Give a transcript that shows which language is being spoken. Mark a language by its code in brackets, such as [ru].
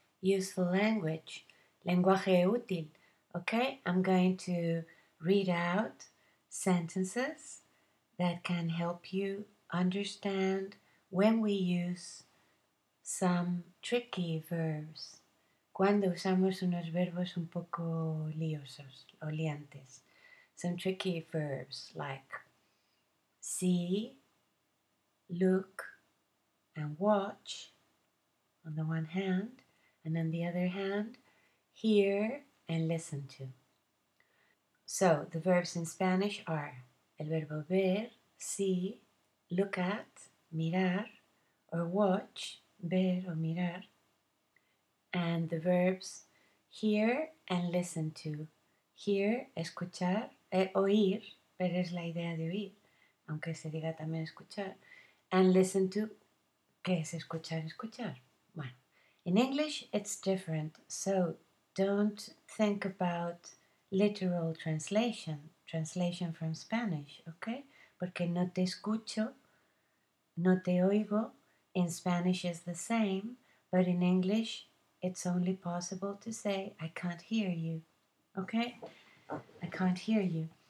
[en] Useful language. [es] Lenguaje útil. [en] Okay, I'm going to read out sentences that can help you understand when we use some tricky verbs. [es] Cuando usamos unos verbos un poco liosos o liantes. [en] Some tricky verbs like see, look, and watch on the one hand, and on the other hand, hear and listen to. So the verbs in Spanish are [es] el verbo ver, [en] see, look at, [es] mirar, [en] or watch, [es] ver o mirar, [en] and the verbs hear and listen to. Hear, escuchar. [es] Oír, ver es la idea de oír, aunque se diga también escuchar. [en] And listen to, [es] ¿qué es escuchar, escuchar? [en] Bueno, in English it's different, so don't think about literal translation from Spanish, okay? [es] Porque no te escucho, no te oigo, [en] in Spanish is the same, but in English it's only possible to say, I can't hear you, okay? I can't hear you.